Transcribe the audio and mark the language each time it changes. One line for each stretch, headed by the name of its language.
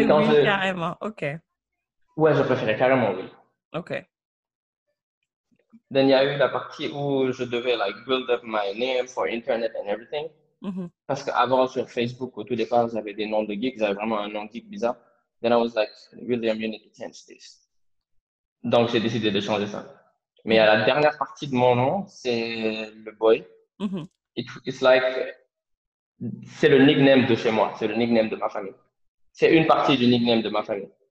French: Ben, quand oui, je. carrément. OK. Ouais, je préférais carrément Willy. OK. Ben, il y a eu la partie où je devais,
English: build up my name for Internet and everything.
French: Parce qu'avant sur Facebook, au tout départ, j'avais des noms de geeks, j'avais vraiment un nom geek bizarre.
English: Then I was like, William, you need to change this.
French: Donc j'ai décidé de changer ça. Mais à la dernière partie de mon nom, c'est le boy. C'est le nickname de chez moi, c'est le nickname de ma famille. C'est une partie du nickname de ma famille.